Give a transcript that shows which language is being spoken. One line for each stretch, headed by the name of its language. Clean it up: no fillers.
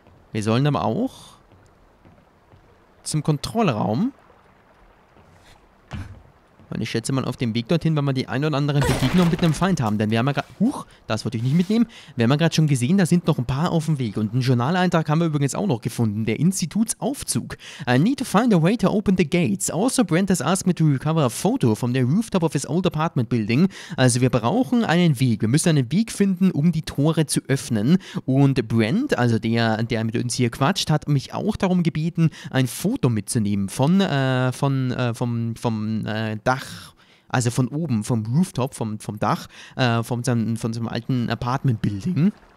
German: Wir sollen aber auch zum Kontrollraum. Und ich schätze mal, auf dem Weg dorthin werden wir die ein oder anderen Begegnung mit einem Feind haben. Denn wir haben ja gerade... Huch, das wollte ich nicht mitnehmen. Wir haben ja gerade schon gesehen, da sind noch ein paar auf dem Weg. Und einen Journaleintrag haben wir übrigens auch noch gefunden. Der Institutsaufzug.
English: I need to find a way to open the gates. Also, Brent has asked me to recover a photo from the rooftop of his old apartment building.
German: Also, wir brauchen einen Weg. Wir müssen einen Weg finden, um die Tore zu öffnen. Und Brent, also der mit uns hier quatscht, hat mich auch darum gebeten, ein Foto mitzunehmen vom Dach. Also von oben, vom Rooftop, vom Dach, von seinem alten Apartment-Building.